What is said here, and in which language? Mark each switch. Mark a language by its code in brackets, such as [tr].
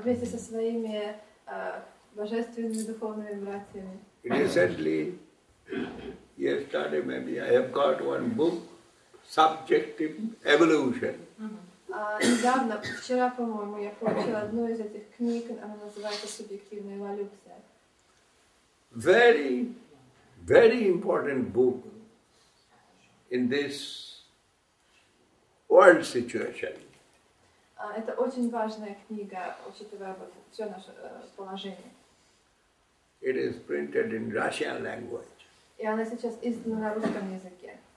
[ru] Вместе со своими божественными духовными братьями. [en] Recently. Yesterday, maybe I have got one book, Subjective Evolution. [ru] Недавно, вчера, по-моему, я получила одну из этих книг, она называется Субъективная эволюция. [en] Very, very important book in this world situation. [ru] Это очень важная книга, учитывая все наше положение. [en] It is printed in Russian language. [ru] И она сейчас издана на русском языке.